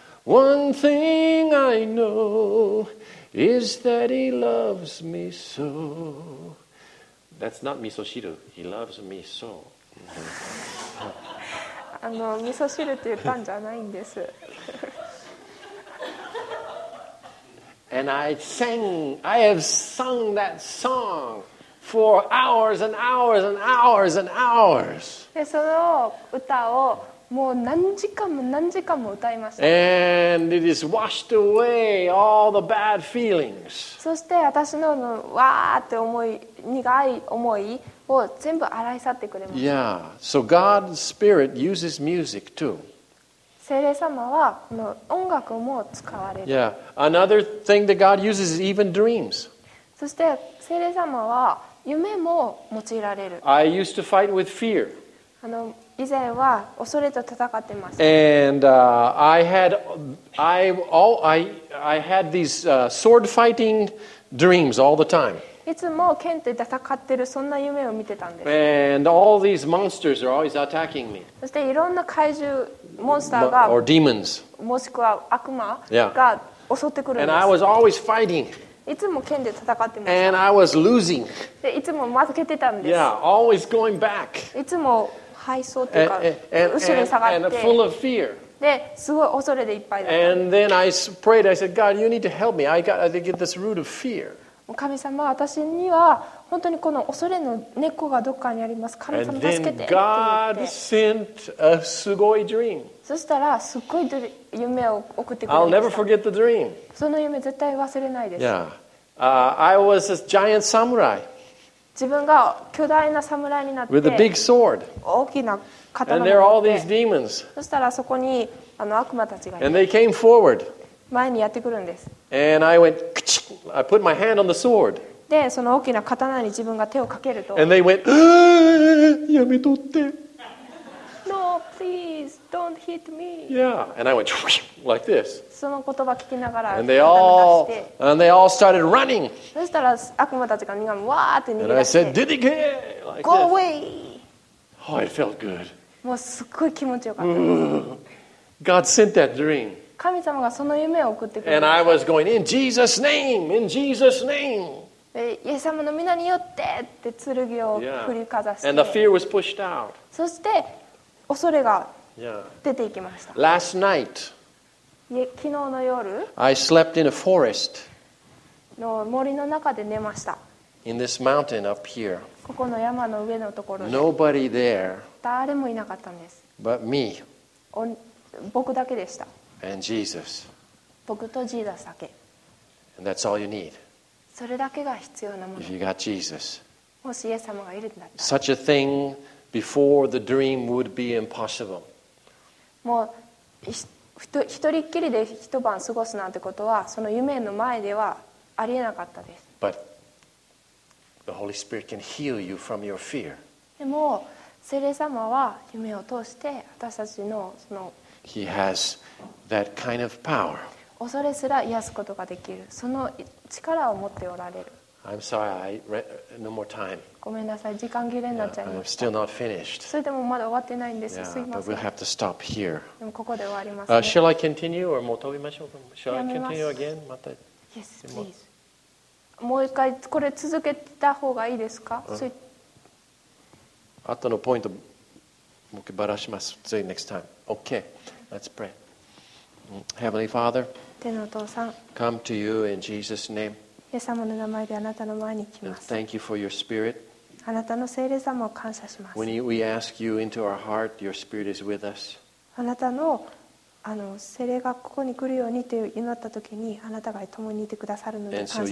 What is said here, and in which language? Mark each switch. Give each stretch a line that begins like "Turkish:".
English: One thing I know is that he loves me so. That's not miso shiru. He loves me so.
Japanese: あの、味噌汁って言ったんじゃないんです。
English: And I have sung that song. For hours and hours and hours and hours.
Japanese: でその歌をもう何時間も何時間も歌いました。
English: And it is washed away all the bad feelings.
Japanese: そして私のわーって思い苦い思いを全部洗い去ってくれました。
English: Yeah. So God's Spirit uses music too.
Japanese: 聖霊様はこの音楽も使われる。
English: Yeah. Another thing that God uses is even dreams.
Japanese: そして聖霊様は夢も用いられる。
English: I used to fight with fear.
Japanese: あの以前は恐れと戦っていました。
English: And I had these sword fighting dreams all the time.
Japanese: いつも剣で戦ってるそんな夢を見てたんです。
English: And all these monsters are always attacking me.
Japanese: そしていろんな怪獣モンスターが、
English: or demons.
Japanese: もしくは悪魔が襲ってくるんです。
English: And I was always fighting.
Japanese: いつも剣で戦ってました。
English: And I was losing.
Japanese: でいつも負けてたんです。
English: Yeah, always going back.
Japanese: いつも敗走というか後ろに下がって。
English: And full of fear.
Japanese: ですごい恐れでいっぱいだった。
English: And then I prayed. I said, God, you need to help me. I to get this root of fear.
Japanese: 神様、私には本当にこの恐れの根っこがどっかにあります。神様、助けて。
English: And then God sent a
Japanese: すごい
English: dream.
Japanese: そしたらすっごい夢を送ってくれました。
English: I'll never forget the dream.
Japanese: その夢絶対忘れないです。
English: Yeah. I was a giant samurai.
Japanese: 自分が巨大な侍になって、
English: with a big sword.
Japanese: 大きな刀を持って、
English: and there are all these demons.
Japanese: そしたらそこにあの悪魔たちが、
English: and they came forward.
Japanese: 前にやってくるんです。
English: And I went, I put my hand on the sword.
Japanese: でその大きな刀に自分が手をかけると、
English: and they went,
Japanese: やめとって。
English: No, please, don't hit me. Yeah, and I went like this.
Japanese: その言葉聞きながら、
English: and they all started running.
Japanese: そしたら悪魔たちが逃げ、わーって逃げ出して、
English: and I said, Did he get? Go away. Oh, it felt good.
Japanese: もうすっごい気持ちよかった。
English: God sent that dream.
Japanese: 神様がその夢を送ってくれた。
English: And I was going in Jesus' name, in Jesus' name.
Japanese: イエス様の皆によってって剣を振りかざして、
English: and the fear was pushed out.
Japanese: そして恐れが出ていきました。
English: Yeah. Last night,
Japanese: 昨日の夜、
English: I slept in a forest.
Japanese: の森の中で寝ました。
English: In this mountain up here.
Japanese: ここの山の上のところで。
English: Nobody there.
Japanese: 誰もいなかったんです。
English: But me.
Japanese: 僕だけでした。
English: And Jesus.
Japanese: 僕とジーザスだけ。
English: And that's all you need.
Japanese: それだけが必要なもの。
English: If you got Jesus.
Japanese: もしイエス様がいるんだったら。
English: Such a thing. Before the dream would be impossible.
Japanese: もう一人っきりで一晩過ごすなんてことはその夢の前ではありえなかったです。
English: But the Holy Spirit can heal you from your fear.
Japanese: でも聖霊様は夢を通して私たちのその
English: He has that kind of power.
Japanese: 恐れすら癒すことができる。その力を持っておられる。
English: I'm sorry, I ran no more time.
Japanese: ごめんなさい、時間切れになっちゃいました。
English: I'm still not finished.
Japanese: それでもまだ終わってないんです。すいません。
English: But we'll have to stop here.
Japanese: でもここで終わりますね。
English: Shall I continue or
Japanese: もう飛びましょうか?
English: Shall I continue again?
Japanese: また。
English: Yes, please.
Japanese: もう一回これ続けた方がいいですか? あとのポイントもう一回バラします。
English: See you next time. Okay, let's pray. Heavenly Father,
Japanese: 天のお父さん、
English: come to you in Jesus' name.
Japanese: イエス様の名前であなたの前に来ます。
English: Thank you for your spirit.
Japanese: あなたの聖霊様を感謝します。
English: When we ask you into our heart, your spirit is with us.
Japanese: あなたのあの聖霊がここに来るようにと祈った時にあなたが共にいてくださるので感謝します。